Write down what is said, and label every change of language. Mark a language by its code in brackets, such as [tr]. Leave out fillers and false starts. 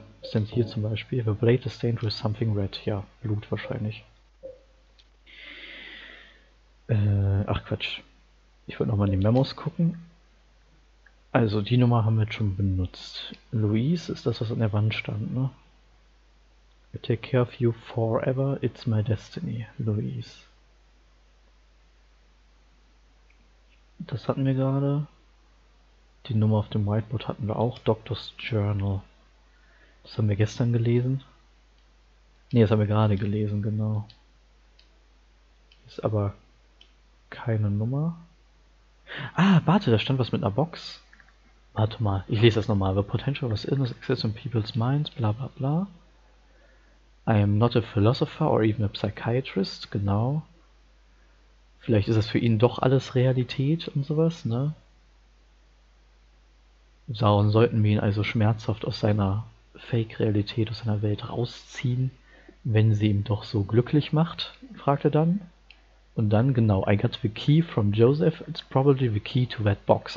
[de] Was denn hier zum Beispiel? [en] The blade is stained with something red. [de] Ja, Blut wahrscheinlich. Ach Quatsch. Ich wollte nochmal in die Memos gucken. Also die Nummer haben wir jetzt schon benutzt. Louise ist das, was an der Wand stand, ne? [en] I take care of you forever, it's my destiny, Louise. [de] Das hatten wir gerade. Die Nummer auf dem Whiteboard hatten wir auch. Doctor's Journal. Das haben wir gestern gelesen. Ne, das haben wir gerade gelesen, genau. Ist aber keine Nummer. Ah, warte, da stand was mit einer Box. Warte mal, ich lese das nochmal. [en] The potential of this illness exists in people's minds, [de] bla bla bla. [en] I am not a philosopher or even a psychiatrist, genau. [de] Vielleicht ist das für ihn doch alles Realität und sowas, ne? Darum sollten wir ihn also schmerzhaft aus seiner Fake-Realität, aus seiner Welt rausziehen, wenn sie ihm doch so glücklich macht, fragt er dann. Und dann, genau, [en] I got the key from Joseph, it's probably the key to that box.